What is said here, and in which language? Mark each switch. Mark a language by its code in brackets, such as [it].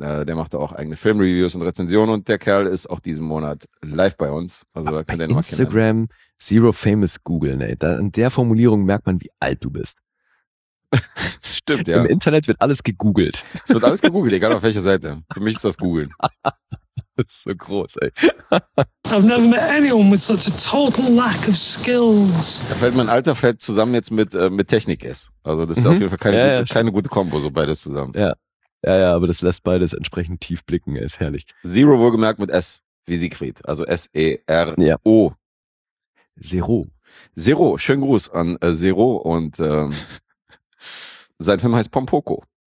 [de] Der macht auch eigene Filmreviews und Rezensionen und der Kerl ist auch diesen Monat live bei uns. Also da könnt ihr ihn mal kennen. Instagram Zero Famous googeln, ey. Da, in der Formulierung merkt man, wie alt du bist. Stimmt, ja. Im Internet wird alles gegoogelt. Es wird alles gegoogelt, egal auf welcher Seite. Für mich ist das googeln. Das ist so groß, ey. [en] I've never met anyone with such a total lack of skills. [de] Da fällt mein Alter fällt zusammen jetzt mit Technik ist. Also das ist auf jeden Fall keine gute Kombo, so beides zusammen. Ja, aber das lässt beides entsprechend tief blicken, ist herrlich. Zero wohlgemerkt mit S, wie Siegfried. Also S-E-R-O. Ja. Zero. Zero, schönen Gruß an Zero und sein Film heißt Pompoko.